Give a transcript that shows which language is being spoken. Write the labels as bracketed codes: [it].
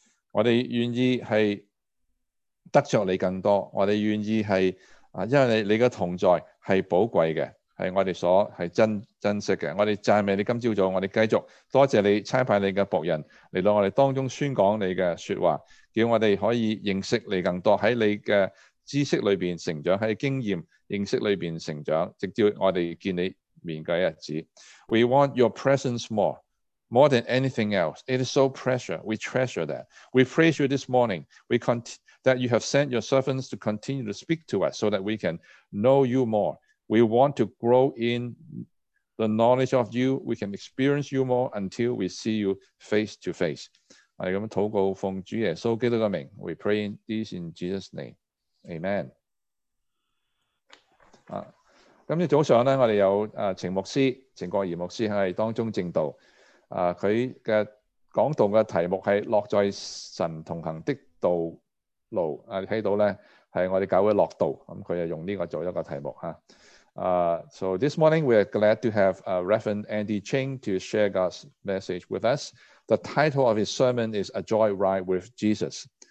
[zh] 我们愿意是得着你更多，我们愿意是因为你的同在是宝贵的，是我们所是珍惜的。我们赞美你，今早我们继续多谢你差派你的仆人来到我们当中宣讲你的说话，叫我们可以认识你更多，在你的知识里面成长，在经验认识里面成长，直到我们见你面的日子。 [en] We want your presence more than anything else. It is so precious. We treasure that. We praise you this morning. That you have sent your servants to continue to speak to us so that we can know you moreWe want to grow in the knowledge of you. We can experience you more until we see you face to face. [zh] 我们这样祷告奉主耶稣基督的名。 [en] We pray this in Jesus' name. Amen. [zh] 今天早上呢，我们有程牧师，程国贤牧师在当中正道。他的讲道的题目是落在神同行的道路。你看到呢，是我们教会落道，他就用这个做一个题目。 [en] So this morning, we are glad to have Reverend Andy Ching to share God's message with us. The title of his sermon is A Joy Ride with Jesus.